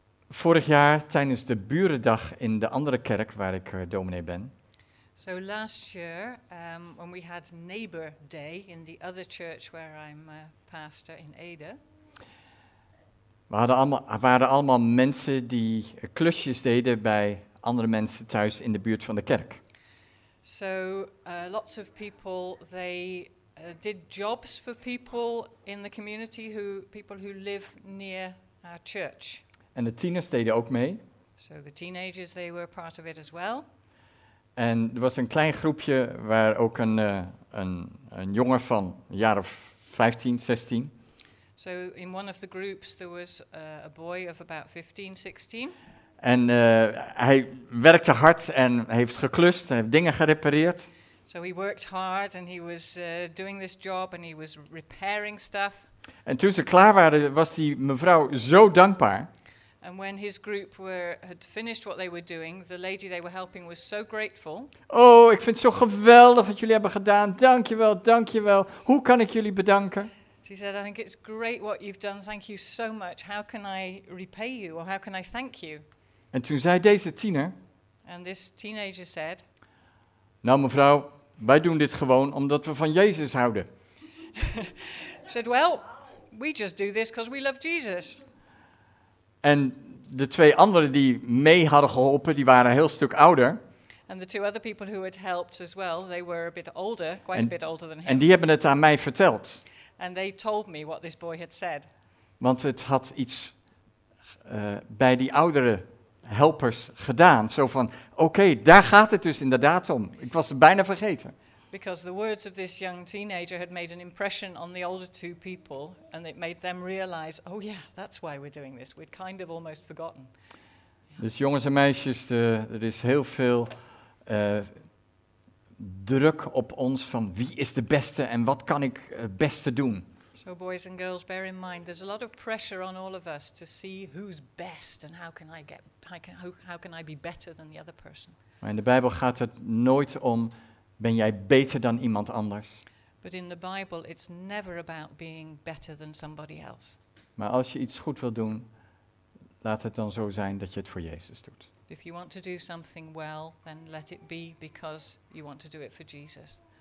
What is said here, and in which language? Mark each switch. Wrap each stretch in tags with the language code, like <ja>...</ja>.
<nl>Vorig jaar tijdens de burendag in de andere kerk waar ik dominee ben.</nl> <en>So last year, when we had Neighbor Day in the other church where I'm pastor in Ede.</en> <nl>We waren allemaal mensen die klusjes deden bij andere mensen thuis in de buurt van de kerk.</nl> <en>So lots of people, they did jobs for people in the community, people who live near our church.</en> <nl>En de tieners deden ook mee.</nl> <en>So the teenagers, they were part of it as well.</en> <nl>En er was een klein groepje waar ook een jongen van een jaar of 15, 16.</nl> <en>So in one of the groups there was a boy of about 15, 16.</en> <nl>En hij werkte hard en heeft geklust, heeft dingen gerepareerd.</nl> <en>So he worked hard and he was doing this job and he was repairing stuff.</en> <nl>En toen ze klaar waren was die mevrouw zo dankbaar.</nl> <en>And when his group had finished what they were doing, the lady they were helping was so grateful.</en> <nl>Oh, ik vind het zo geweldig wat jullie hebben gedaan. Dankjewel, dankjewel. Hoe kan ik jullie bedanken?</nl> <en>She said, I think it's great what you've done. Thank you so much. How can I repay you? Or how can I thank you?</en> <nl>En toen zei deze tiener.</nl> <en>And this teenager said.</en> <nl>Nou mevrouw, wij doen dit gewoon omdat we van Jezus houden.</nl> <en>She said, well, we just do this because we love Jesus.</en> <nl>En de twee anderen die mee hadden geholpen, die waren een heel stuk ouder.</nl> <en>And the two other people who had helped as well, they were a bit older, quite a bit older than him.</en> <nl>En die hebben het aan mij verteld.</nl> <en>And they told me what this boy had said.</en> <nl>Want het had iets bij die oudere helpers gedaan. Zo van, oké, daar gaat het dus inderdaad om. Ik was het bijna vergeten.</nl> <en>Because the words of this young teenager had made an impression on the older two people and it made them realize, oh yeah, that's why we're doing this. We'd kind of almost forgotten.</en> <nl>Dus jongens en meisjes, er is heel veel druk op ons van wie is de beste en wat kan ik het beste doen.</nl> <en>So boys and girls, bear in mind, there's a lot of pressure on all of us to see who's best and how can I be better than the other person.</en> <nl>Maar in de Bijbel gaat het nooit om ben jij beter dan iemand anders?</nl> <en>But in the Bible, it's never about being better than somebody else.</en> <nl>Maar als je iets goed wil doen, laat het dan zo zijn dat je het voor Jezus doet.</nl> <en>If you want to do something well, then let it be because you want to do it for Jesus.</en>